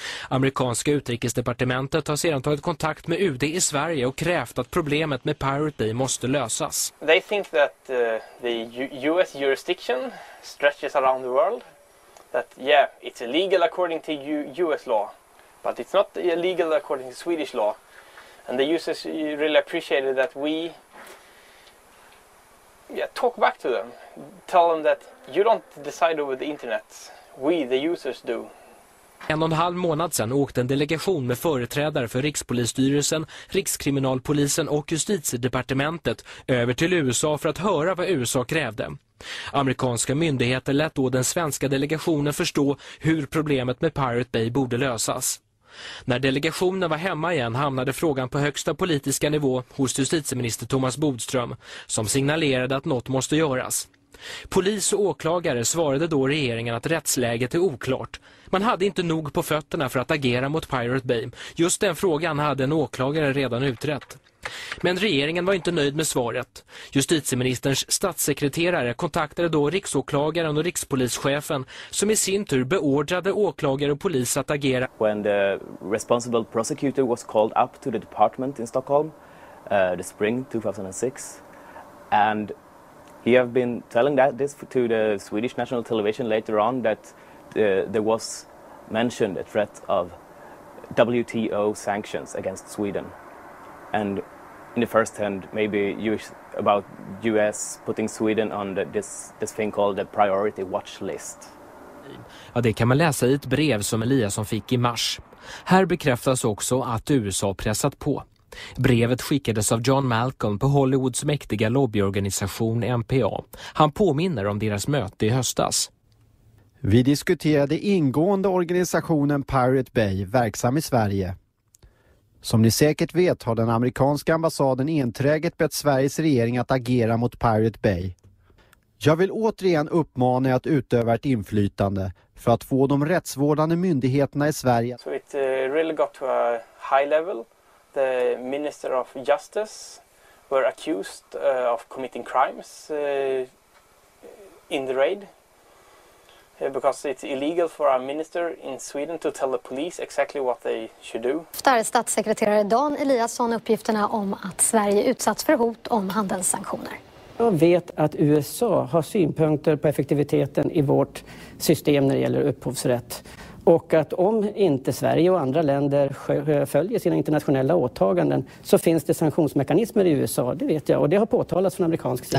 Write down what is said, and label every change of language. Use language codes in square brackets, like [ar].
[sv] Amerikanska utrikesdepartementet har sedan tagit kontakt med UD i Sverige och krävt att problemet med Pirate Bay måste lösas. [en] They think that the US jurisdiction stretches around the world, that yeah, it's illegal according to US law, but it's not illegal according to Swedish law. And the users really appreciated that we talk back to them. Tell them that you don't decide over the internet. We, the users, do. [sv] En och en halv månad sedan åkte en delegation med företrädare för Rikspolisstyrelsen, Rikskriminalpolisen och Justitiedepartementet över till USA för att höra vad USA krävde. Amerikanska myndigheter lät då den svenska delegationen förstå hur problemet med Pirate Bay borde lösas. När delegationen var hemma igen hamnade frågan på högsta politiska nivå hos justitieminister Thomas Bodström som signalerade att något måste göras. Polis och åklagare svarade då regeringen att rättsläget är oklart. Man hade inte nog på fötterna för att agera mot Pirate Bay. Just den frågan hade en åklagare redan utrett. Men regeringen var inte nöjd med svaret. Justitieministerns statssekreterare kontaktade då riksåklagaren och rikspolischefen som i sin tur beordrade åklagare och polis att agera. [en] When the responsible prosecutor was called up to the department in Stockholm the spring 2006 and he have been telling that this to the Swedish national television later on that there was mentioned a threat of WTO sanctions against Sweden. And in the first hand, maybe about US putting Sweden on this thing called the priority watch list. [sv] Ja, det kan man läsa i ett brev som Eliasson fick i mars. Här bekräftas också att USA pressat på. Brevet skickades av John Malcolm på Hollywoods mäktiga lobbyorganisation MPA. Han påminner om deras möte i höstas. Vi diskuterade ingående organisationen Pirate Bay, verksam i Sverige. Som ni säkert vet har den amerikanska ambassaden enträget bett Sveriges regering att agera mot Pirate Bay. Jag vill återigen uppmana er att utöva ett inflytande för att få de rättsvårdande myndigheterna i Sverige. [en] So it really got to a high level. The minister of justice were accused of committing crimes in the raid. Because it's illegal for a minister in Sweden to tell the police exactly what they should do. [sv] Efter statssekreterare Dan Eliasson uppgifterna om att Sverige utsatts för hot om handelssanktioner. Jag vet att USA har synpunkter på effektiviteten i vårt system när det gäller upphovsrätt. Och att om inte Sverige och andra länder följer sina internationella åtaganden så finns det sanktionsmekanismer i USA, det vet jag. Och det har påtalats från amerikansk sida.